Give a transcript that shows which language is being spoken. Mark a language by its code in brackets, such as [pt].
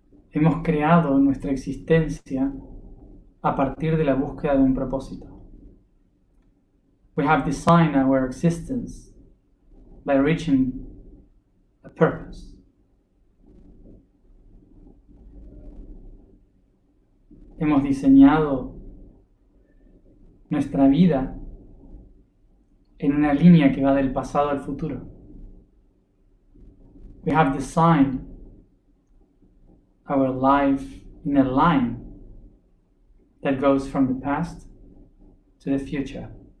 [es] Hemos creado nuestra existencia a partir de la búsqueda de un propósito. [en] We have designed our existence by reaching a purpose. [es] Hemos diseñado nuestra vida en una línea que va del pasado al futuro. [en] We have designed our life in a line that goes from the past to the future.